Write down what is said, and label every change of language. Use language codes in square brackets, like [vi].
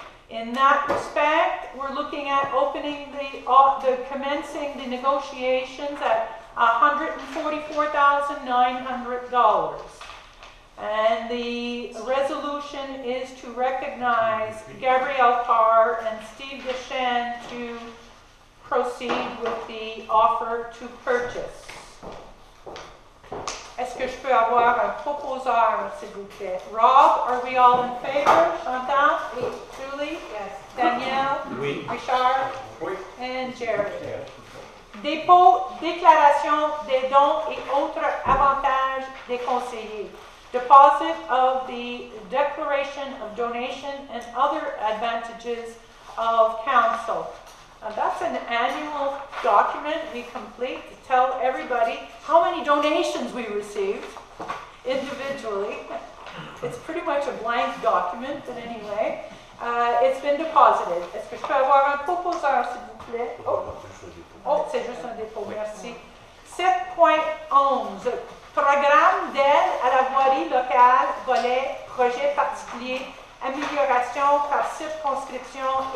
[en] In that respect, we're looking at opening commencing the negotiations at $144,900. And the resolution is to recognize Gabrielle Carr and Steve Deschen to proceed with the offer to purchase. [fr] Est-ce que je peux avoir un proposeur, s'il vous plaît? [en] Rob, are we all in favor? Chantal? [fr] Oui. [en] Julie? Yes. Danielle? [fr] Oui. [en] Richard? [fr] Oui. [en] And Jerry? Yes. [fr] Dépôt, déclaration des dons et autres avantages des conseillers. [en] Deposit of the declaration of donation and other advantages of council. That's an annual document we complete to tell everybody how many donations we received individually. It's pretty much a blank document, but anyway, it's been deposited. [fr] Est-ce que je peux avoir un proposeur, s'il vous plaît? Oh, c'est juste un dépôt, merci. 7.11, programme d'aide à la voirie locale, volet, projet particulier, amélioration par circonscription électorale.